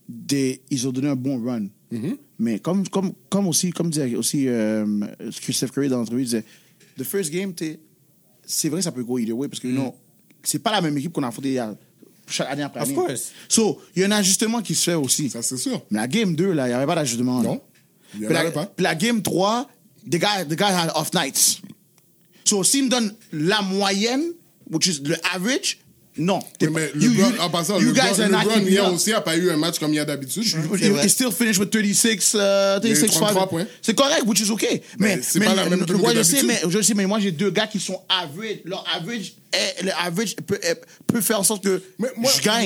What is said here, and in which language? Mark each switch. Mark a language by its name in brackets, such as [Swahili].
[French] Ils ont donné un bon run. Mais comme disait Steph Curry dans l'entrevue, il disait « [English] The first game, [French] c'est vrai, ça peut [English] go either way, [French] parce que non, c'est pas la même équipe qu'on a affronté chaque année après année. » [English] Of course. [French] So, il y a un ajustement qui se fait aussi. Ça, c'est sûr. Mais la game 2, il n'y avait pas d'ajustement. Non, il n'y en avait pas. Puis la game 3, [English] the guy had off nights. [French] So, s'il me donne la moyenne, [English] which is the average... [French] Non. Mais LeBron hier aussi n'a pas eu un match comme il y a d'habitude. Il [English] still finish with 36, 36 33 points. [French] C'est correct, [English] which is okay. [French] Mais moi, j'ai deux gars qui sont average. Leur average, peut faire en sorte que je gagne.